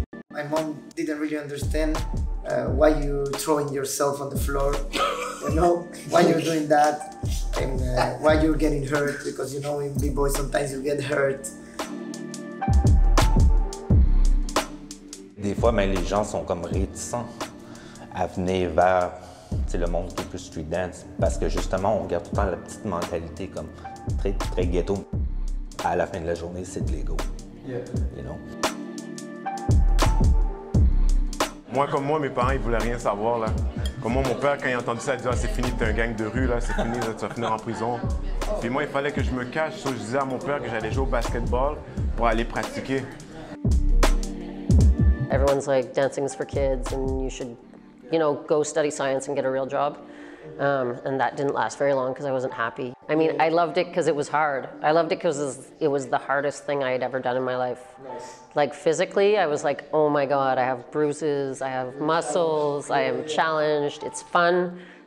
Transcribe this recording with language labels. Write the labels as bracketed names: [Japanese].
[English] My mom didn't really understand why you throwing yourself on the floor, you know, why you're doing that, and why you're getting hurt, because you know in b-boy sometimes you get hurt. [French] Des fois, mais les gens sont comme réticents à venir vers le monde qui est plus street dance, parce que justement on regarde tout le temps la petite mentalité comme très très ghetto. À la fin de la journée, c'est de l'ego, [English] yeah. You know? [French] Moi, comme moi, mes parents, ils voulaient rien savoir, là. Comme moi, mon père, quand il a entendu ça, il a dit « Ah, c'est fini, t'es un gang de rue, là, c'est fini, là, tu vas finir en prison. » Puis moi, il fallait que je me cache, ça, je disais à mon père que j'allais jouer au basketball pour aller pratiquer. [English] Everyone's like, dancing is for kids, and you should, you know, go study science and get a real job. And that didn't last very long, because I wasn't happy. I mean, I loved it because it was hard. I loved it because it was the hardest thing I had ever done in my life. Nice. Like, physically, I was like, oh my God, I have bruises, I have muscles, I am challenged, it's fun.